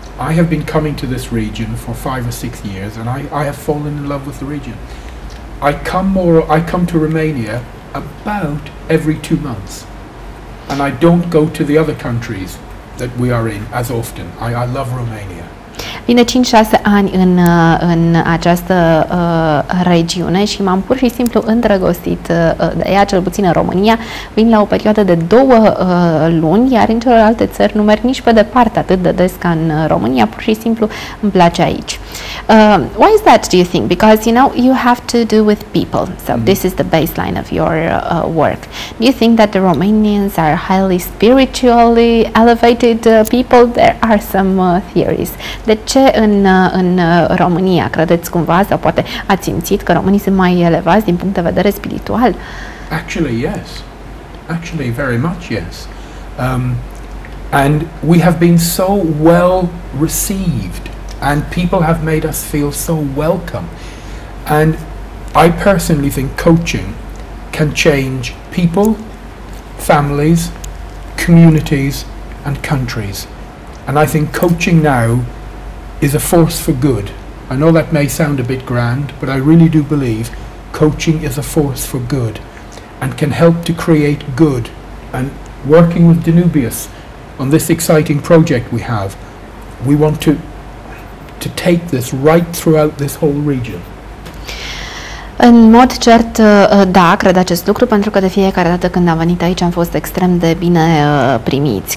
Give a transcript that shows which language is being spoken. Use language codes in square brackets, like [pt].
[en] I have been coming to this region for 5 or 6 years, and I have fallen in love with the region. I come to Romania about every 2 months, and I don't go to the other countries that we are in as often. I love Romania. [ro] Vine 5-6 ani în această regiune și m-am pur și simplu îndrăgostit de ea, cel puțin în România. Vin la o perioadă de 2 luni, iar în celelalte țări nu merg nici pe departe atât de des ca în România. Pur și simplu îmi place aici. [en] Why is that, do you think? Because, you know, you have to do with people. So this is the baseline of your work. Do you think that the Romanians are highly spiritually elevated people? There are some theories. [ro] De ce în România credeți cumva sau poate ați simțit că românii sunt mai elevați din punct de vedere spiritual? [en] Actually, yes. Actually, very much yes. And we have been so well received, and people have made us feel so welcome. And I personally think coaching can change people, families, communities, and countries. And I think coaching now is a force for good. I know that may sound a bit grand, but I really do believe coaching is a force for good and can help to create good. And working with Danubius on this exciting project we have, we want to take this right throughout this whole region. [ro] În mod cert, da, cred acest lucru, pentru că de fiecare dată când am venit aici am fost extrem de bine primiți.